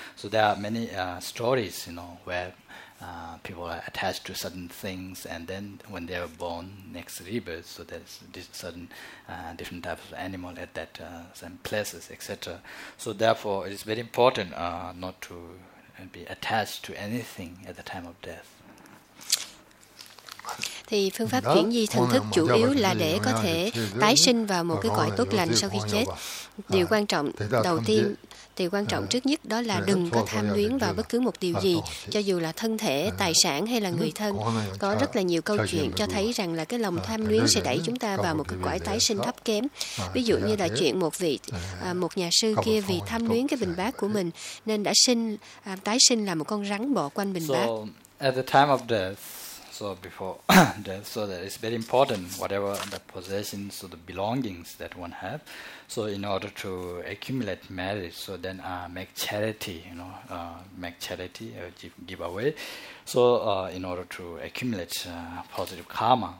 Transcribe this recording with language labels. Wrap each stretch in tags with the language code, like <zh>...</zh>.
<en>So there are many stories, you know, where people are attached to certain things, and then when they are born, next rebirth, so there's this certain different types of animal at that same places, etc. So therefore, it is very important not to be attached to anything at the time of death.</en> <vi>Thì phương pháp chuyển di thần thức chủ yếu là để có thể tái sinh vào một cái cõi tốt lành sau khi chết. Điều quan trọng đầu tiên, điều quan trọng trước nhất đó là đừng có tham luyến vào bất cứ một điều gì, cho dù là thân thể, tài sản hay là người thân. Có rất là nhiều câu chuyện cho thấy rằng là cái lòng tham luyến sẽ đẩy chúng ta vào một cái cõi tái sinh thấp kém. Ví dụ như là chuyện một nhà sư kia vì tham luyến cái bình bát của mình nên đã tái sinh là một con rắn bò quanh bình bát.</vi> <en>At the time of death, so before death, so that it's very important whatever the possessions or so the belongings that one have, so in order to accumulate merit, so then make charity, you know, make charity, give away, so in order to accumulate positive karma.</en>